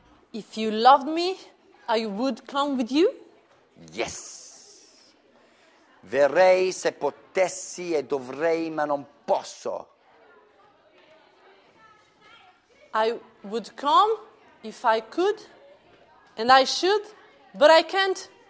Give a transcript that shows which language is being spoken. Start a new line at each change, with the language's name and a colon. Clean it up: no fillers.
English: If you loved me, I would come with you? Yes.
Italian: Verrei se potessi e dovrei, ma non posso.
English: I would come if I could and I should, but I can't.